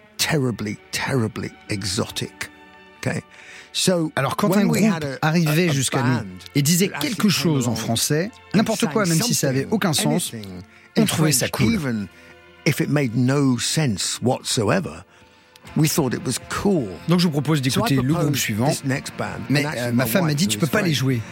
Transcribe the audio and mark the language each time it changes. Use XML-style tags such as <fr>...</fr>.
<en>Terribly, terribly exotic. Okay. So,</en> <fr>alors, quand un groupe arrivait jusqu'à nous et disait quelque chose en français, n'importe quoi, même si ça n'avait aucun sens, on trouvait ça cool.</fr> <en>Even if it made no sense whatsoever, we thought it was cool.</en> <fr>Donc, je vous propose d'écouter le groupe suivant. Mais ma femme m'a dit, tu ne peux pas les jouer.</fr>